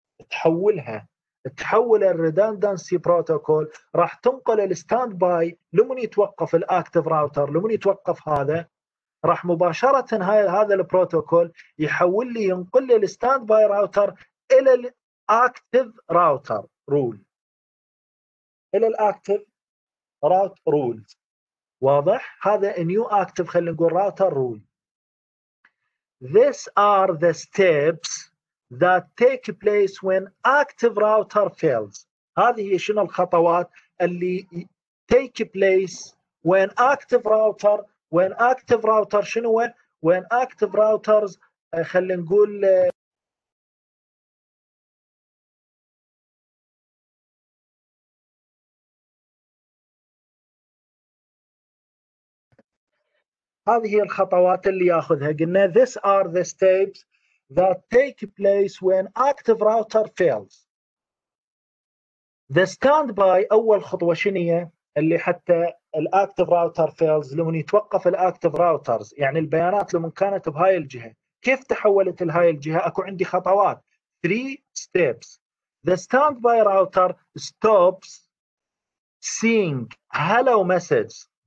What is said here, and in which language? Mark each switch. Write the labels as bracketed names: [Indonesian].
[Arabic] تحولها، تحول الريداندنسي بروتوكول، راح تنقل الستاند باي لمن يتوقف الاكتف راوتر، لمن يتوقف هذا راح مباشره هذا البروتوكول يحول لي، ينقل لي الستاند باي راوتر الى الاكتف راوتر رول، الى الاكتف راوت رولز. واضح؟ هذا نيو اكتف، خلينا نقول راوتر رول. [English] These are the steps that take place when active router fails. [Arabic] هذه هي شنو الخطوات اللي [English] take place when active router [Arabic] شنو [English] when active routers [Arabic] خلينا نقول هذه هي الخطوات اللي ياخذها. [English] قلنا these are the steps that take place when active router fails. The standby [Arabic] أول خطوة شنية اللي حتى الactive router fails، لمن يتوقف الactive routers يعني البيانات لمن كانت بهاي الجهة، كيف تحولت لهاي الجهة؟ أكو عندي خطوات [English] three steps. The standby router stops seeing hello message.